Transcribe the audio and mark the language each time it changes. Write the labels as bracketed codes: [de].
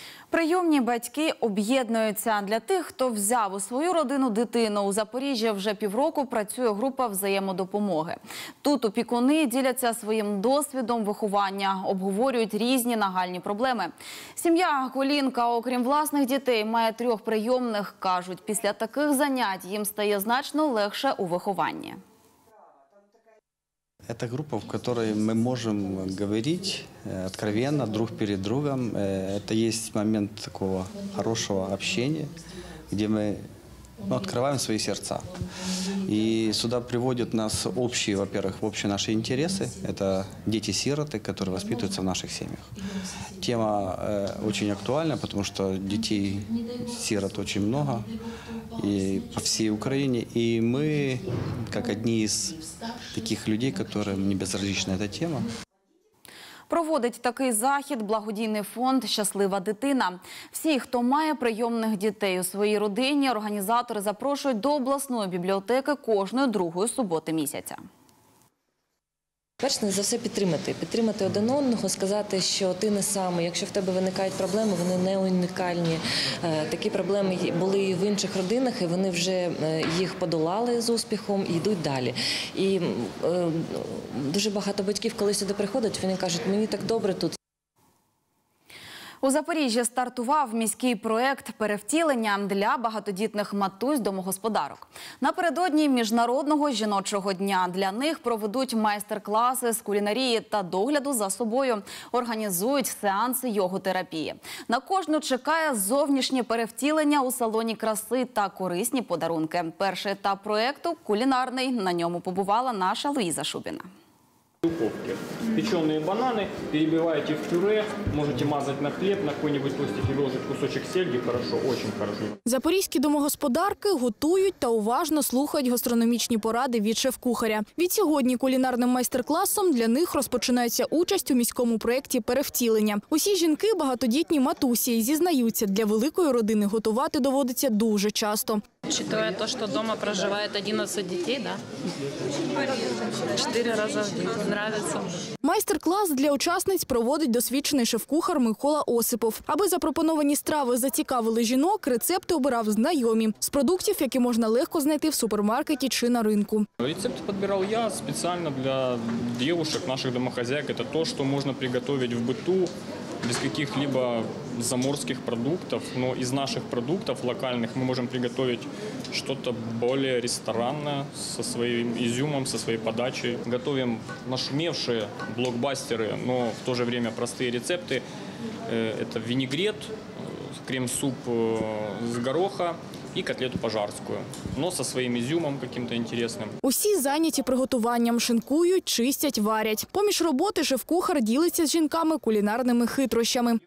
[uk] Прийомні батьки об'єднуються. Для тих, хто взяв у свою родину дитину, у Запоріжжі вже півроку працює група взаємодопомоги. Тут опікуни діляться своїм досвідом виховання, обговорюють різні нагальні проблеми. Сім'я Колінка, окрім власних дітей, має 3 прийомних. Кажуть, після таких занять їм стає значно легше у вихованні. [ru] Это группа, в которой мы можем говорить откровенно друг перед другом. Это есть момент такого хорошего общения, где мы открываем свои сердца. И сюда приводят нас общие, во-первых, общие наши интересы. Это дети-сироты, которые воспитываются в наших семьях. Тема очень актуальна, потому что детей-сирот очень много и по всей Украине. И мы, как одни из таких людей, которым не безразлична эта тема. [uk] Проводить такий захід благодійний фонд «Щаслива дитина». Всі, хто має прийомних дітей у своїй родині, організатори запрошують до обласної бібліотеки кожної 2-ї суботи місяця. Перш за все підтримати. Підтримати один одного, сказати, що ти не самий. Якщо в тебе виникають проблеми, вони не унікальні. Такі проблеми були і в інших родинах, і вони вже їх подолали з успіхом і йдуть далі. І дуже багато батьків, коли сюди приходять, вони кажуть, мені так добре тут. У Запоріжжі стартував міський проєкт «Перевтілення» для багатодітних матусь-домогосподарок. Напередодні Міжнародного жіночого дня для них проведуть майстер-класи з кулінарії та догляду за собою, організують сеанси йогатерапії. На кожну чекає зовнішнє перевтілення у салоні краси та корисні подарунки. Перший етап проєкту – кулінарний. На ньому побувала наша Луїза Шубіна. Духовки. [ru] печеные бананы, перебиваете в пюре, можете мазать на хлеб, на какой-нибудь тостик и выложить кусочек сельди, хорошо, очень хорошо. [uk] Запорізькі домогосподарки готують та уважно слухають гастрономічні поради від шеф-кухаря. Від сьогодні кулінарним майстер-класом для них розпочинається участь у міському проєкті «Перевтілення». Усі жінки – багатодітні матусі і зізнаються, для великої родини готувати доводиться дуже часто. [ru] Учитывая то, что дома проживает 11 детей, да? 4 раза в день. Нравится. [uk] Майстер-клас для учасниць проводить досвідчений шеф-кухар Микола Осипов. Аби запропоновані страви зацікавили жінок, рецепти обирав знайомі. З продуктів, які можна легко знайти в супермаркеті чи на ринку. Рецепт підбирав я спеціально для дівчат, [ru] наших домохозяйок. [uk] Це те, що можна приготувати [ru] в быту. Без каких-либо заморских продуктов, но из наших продуктов локальных мы можем приготовить что-то более ресторанное со своим изюмом, со своей подачей. Готовим нашумевшие блокбастеры, но в то же время простые рецепты. Это винегрет, крем-суп с гороха [uk] і котлету пожарську, [ru] но со своїм ізюмом каким-то інтересним. [uk] Усі зайняті приготуванням, шинкують, чистять, варять. Поміж роботи шеф-кухар ділиться з жінками кулінарними хитрощами.